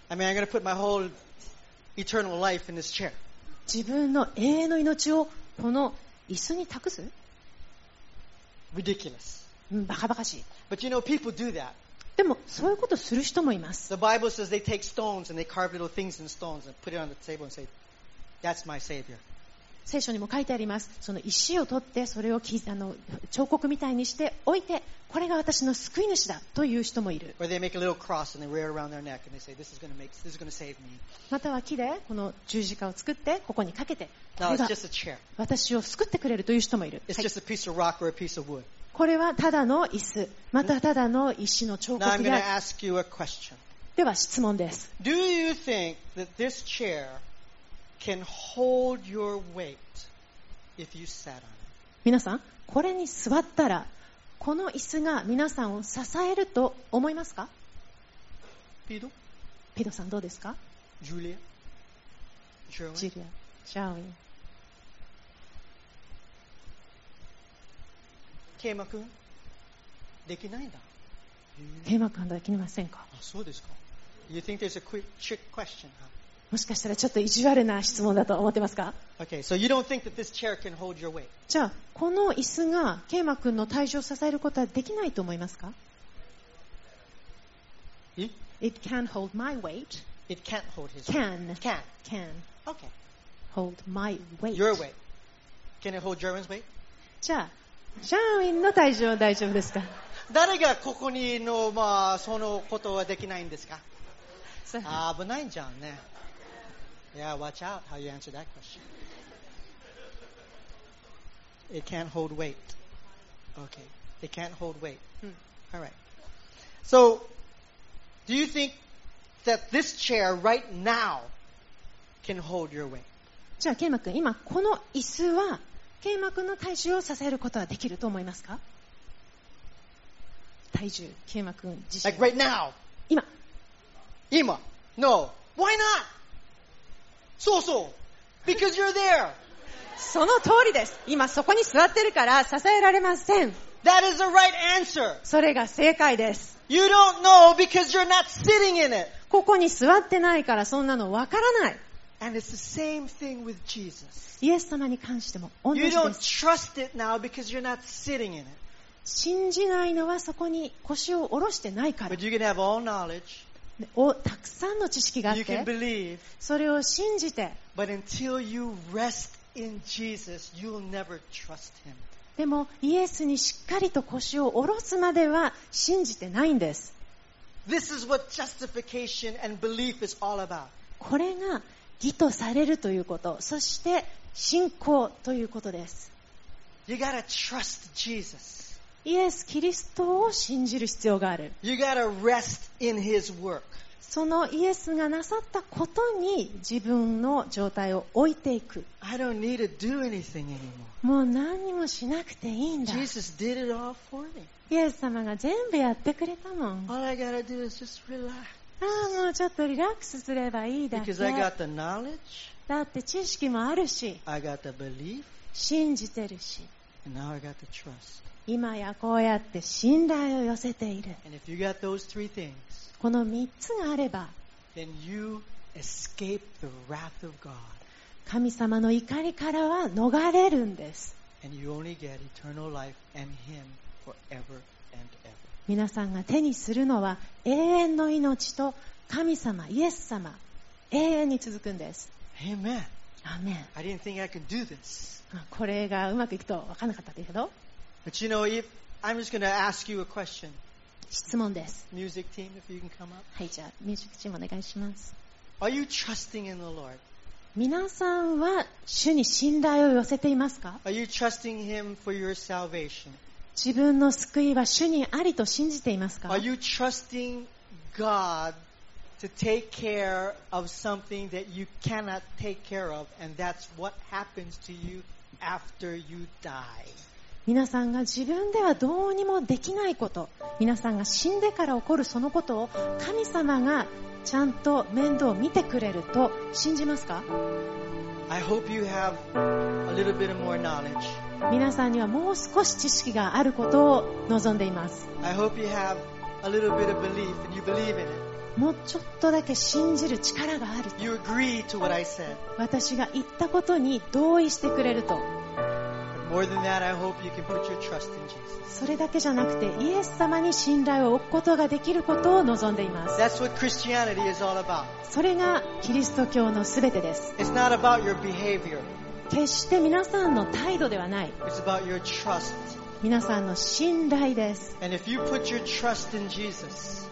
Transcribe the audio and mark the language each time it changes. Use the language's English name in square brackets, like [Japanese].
[English] I mean, I'm going to put my whole eternal life in this chair. [Japanese] 自分の永遠の命をこの椅子に託す? [English] Ridiculous. [Japanese] バカバカしい。 [English] But you know, people do that. [Japanese] でもそういうことする人もいます。 [English] The Bible says they take stones and they carve little things in stones and put it on the table and say, that's my savior. [Japanese] 聖書にも書いてあります。その石を取ってそれを彫刻みたいにして置いて、これが私の救い主だという人もいる。 [English] Or they make a little cross and they wear it around their neck and they say, this is going to save me. [Japanese] または木でこの十字架を作ってここにかけて、これが私を救ってくれるという人もいる。 [English] It's just a piece of rock or a piece of wood. [Japanese] これはただの椅子、またただの石の彫刻である。 [English] Now I'm going to ask you a question. [Japanese] では質問です。 [English] Do you think that this chair can hold your weight if you sat on it? [Japanese] 皆さん、これに座ったらこの椅子が皆さんを支えると思いますか？ピドさんどうですか？ジュリア。ジャーウィン。ケイマ君、できないんだ。ケイマ君できませんか？あ、そうですか。 [English] You think there's a quick trick question, huh? [Japanese] もしかしたらちょっと意地悪な質問だと思ってますか？ [English] Okay, so you don't think that this chair can hold your weight. [Japanese] じゃあこの椅子がケイマ君の体重を支えることはできないと思いますか？ [English] It can't hold my weight. It can't hold his weight. Can. Okay. Hold my weight. Your weight. Can it hold German's weight? [Japanese] じゃあジャーウィンの体重は大丈夫ですか？誰がここにの、まあ、そのことはできないんですか？危ないじゃんね。 [English] Yeah, watch out how you answer that question. It can't hold weight. Okay. It can't hold weight. All right. So, Do you think that this chair right now can hold your weight? [Japanese] じゃあ、ケイマ君、今この椅子はケイマ君の体重を支えることはできると思いますか？体重、ケイマ君自身。 [English] Like right now. [Japanese] 今。今。 [English] No. Why not? [Japanese] そうそう。 [English] Because you're there. [Japanese] その通りです。今そこに座ってるから支えられません。 [English] That is the right answer. [Japanese] それが正解です。 [English] You don't know because you're not sitting in it. [Japanese] ここに座ってないからそんなのわからない。 [English] And it's the same thing with Jesus. [Japanese] イエス様に関しても同じです。 [English] You don't trust it now because you're not sitting in it. [Japanese] 信じないのはそこに腰を下ろしてないから。 [English] But you can have all knowledge. [Japanese] たくさんの知識があって、 [English] you can believe, [Japanese] それを信じて、 [English] But until you rest in Jesus, you'll never trust him. [Japanese] でもイエスにしっかりと腰を下ろすまでは信じてないんです。 [English] This is what justification and belief is all about. [Japanese] これが義とされるということ、そして信仰ということです。 [English] You gotta trust Jesus. [Japanese] イエス・キリストを信じる必要がある。 [English] You gotta rest in his work. [Japanese] そのイエスがなさったことに自分の状態を置いていく。 [English] I don't need to do anything anymore. [Japanese] もう何もしなくていいんだ。 [English] Jesus did it all for me. [Japanese] イエス様が全部やってくれたもん。 [English] All I gotta do is just relax. [Japanese] ああ、もうちょっとリラックスすればいいだけ。 [English] Because I got the knowledge. [Japanese] だって知識もあるし。 [English] I got the belief. [Japanese] 信じてるし。 [English] And now I got the trust. [Japanese] 今やこうやって信頼を寄せている。 [English] And if you got those three things, [Japanese] この三つがあれば、 [English] then you escape the wrath of God. [Japanese] 神様の怒りからは逃れるんです。 [English] And you only get eternal life and Him forever and ever. [Japanese] 皆さんが手にするのは永遠の命と神様、イエス様、永遠に続くんです。 [English] Amen. Amen. I didn't think I could do this. [Japanese] これがうまくいくと分からなかったけど。 [English] But you know, if I'm just going to ask you a question. [Japanese] 質問です。 [English] Music team, if you can come up. [Japanese] はい、じゃあ、ミュージックチームお願いします。 [English] Are you trusting in the Lord? [Japanese] 皆さんは主に信頼を寄せていますか? [English] Are you trusting him for your salvation? [Japanese] 自分の救いは主にありと信じていますか? [English] Are you trusting God to take care of something that you cannot take care of, and that's what happens to you after you die? [Japanese] 皆さんが自分ではどうにもできないこと、皆さんが死んでから起こるそのことを神様がちゃんと面倒を見てくれると信じますか? [English] I hope you have a little bit more knowledge. [Japanese] 皆さんにはもう少し知識があることを望んでいます。 [English] I hope you have a little bit of belief and you believe in it. [Japanese] もうちょっとだけ信じる力があると。 [English] You agree to what I said. [Japanese] 私が言ったことに同意してくれると。 [English] More than that, I hope you can put your trust in Jesus. [Japanese] それだけじゃなくて、イエス様に信頼を置くことができることを望んでいます。 [English] That's what Christianity is all about. [Japanese] それがキリスト教のすべてです。 [English] It's not about your behavior. [Japanese] 決して皆さんの態度ではない。 [English] It's about your trust. [Japanese] 皆さんの信頼です。 [English] And if you put your trust in Jesus,